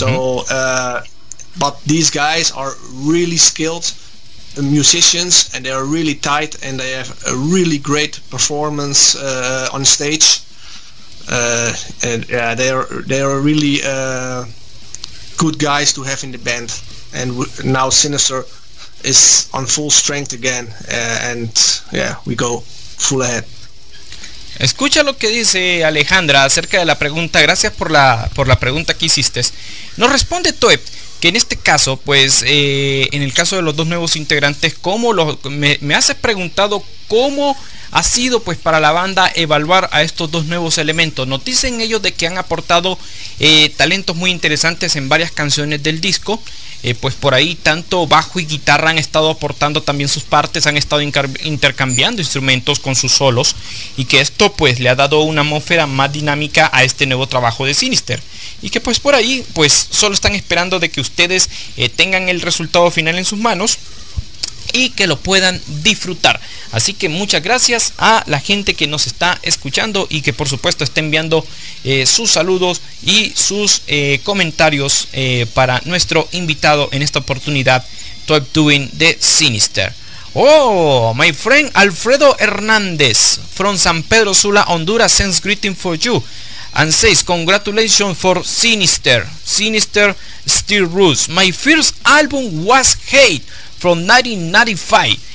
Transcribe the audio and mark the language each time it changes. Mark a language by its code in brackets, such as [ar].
[en] So, but these guys are really skilled musicians, and they are really tight, and they have a really great performance on stage. They are really good guys to have in the band. And now Sinister is on full strength again, and yeah, we go full ahead. [es] Escucha lo que dice Alejandra acerca de la pregunta. Gracias por la pregunta que hiciste. Nos responde Toep que en este caso, pues, en el caso de los dos nuevos integrantes, cómo los me has preguntado cómo ha sido pues para la banda evaluar a estos dos nuevos elementos. Nos dicen ellos de que han aportado talentos muy interesantes en varias canciones del disco. Pues por ahí tanto bajo y guitarra han estado aportando también sus partes, han estado intercambiando instrumentos con sus solos, y que esto pues le ha dado una atmósfera más dinámica a este nuevo trabajo de Sinister. Y que pues por ahí pues solo están esperando de que ustedes tengan el resultado final en sus manos y que lo puedan disfrutar. Así que muchas gracias a la gente que nos está escuchando y que por supuesto está enviando sus saludos y sus comentarios para nuestro invitado en esta oportunidad, Top Doing de Sinister. [en] Oh, my friend Alfredo Hernández from San Pedro Sula, Honduras, sends greeting for you and says congratulations for Sinister. Sinister still rules. My first album was Hate from 1995.